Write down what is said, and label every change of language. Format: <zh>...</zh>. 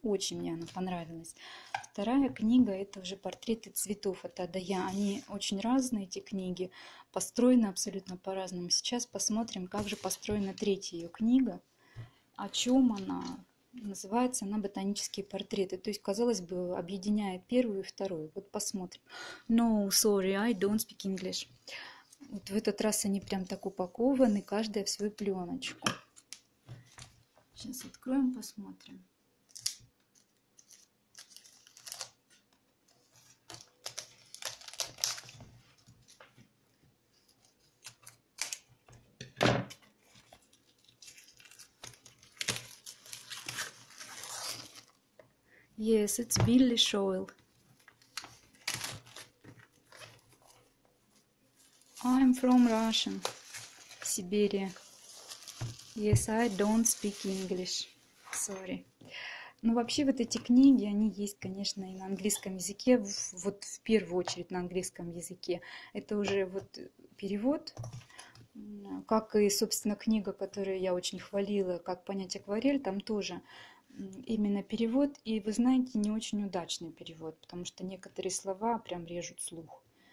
<ru>Очень мне она понравилась. Вторая книга — это уже «Портреты цветов». Это Адая. Они очень разные, эти книги. Построены абсолютно по-разному. Сейчас посмотрим, как же построена третья ее книга. О чем она? Называется она «Ботанические портреты». То есть, казалось бы, объединяет первую и вторую. Вот посмотрим.</ru> <en>No, sorry, I don't speak English.</en> <ru>Вот в этот раз они прям так упакованы, каждая в свою пленочку. Сейчас откроем, посмотрим.</ru> <en>Yes, it's Billy Shoyle. I'm from Russian, Siberia. Yes, I don't speak English. Sorry.</en> <ru>Ну, вообще, вот эти книги, они есть, конечно, и на английском языке. Вот в первую очередь на английском языке. Это уже вот перевод. Как и, собственно, книга, которую я очень хвалила, «Как понять акварель», там тоже именно перевод, и вы знаете, не очень удачный перевод, потому что некоторые слова прям режут слух.</ru>